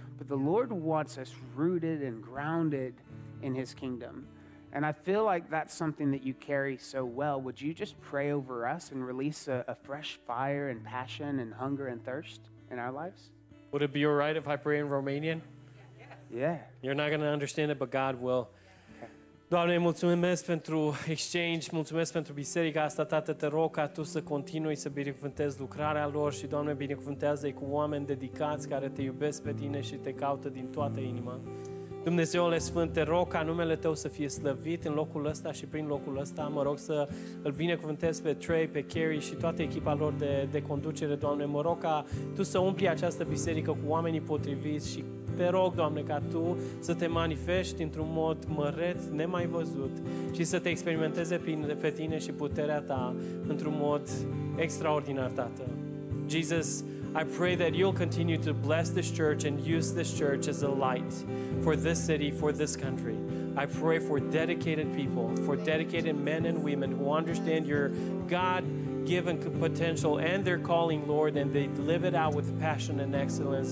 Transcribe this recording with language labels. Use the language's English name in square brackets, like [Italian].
[English] But the Lord wants us rooted and grounded in his kingdom. And I feel like that's something that you carry so well. Would you just pray over us and release a fresh fire and passion and hunger and thirst in our lives? Would it be all right if I pray in Romanian? Yeah. You're not going to understand it, but God will. [Romanian] Doamne, mulțumesc pentru exchange, mulțumesc pentru biserica asta, Tată, te rog ca Tu să continui să binecuvântezi lucrarea lor și, Doamne, binecuvântează-i cu oameni dedicați care Te iubesc pe Tine și Te caută din toată inima. Dumnezeule Sfânt, te rog ca numele Tău să fie slăvit în locul ăsta și prin locul ăsta. Mă rog să îl binecuvântez pe Trey, pe Carrie și toată echipa lor de conducere, Doamne. Mă rog ca Tu să umpli această biserică cu oamenii potriviți și te rog, Doamne, ca Tu să Te manifesti într-un mod măreț, nemai văzut și să Te experimenteze pe Tine și puterea Ta într-un mod extraordinar, Tată. [English] Jesus, I pray that You'll continue to bless this church and use this church as a light for this city, for this country. I pray for dedicated people, for dedicated men and women who understand Your God-given potential and their calling, Lord, and they live it out with passion and excellence.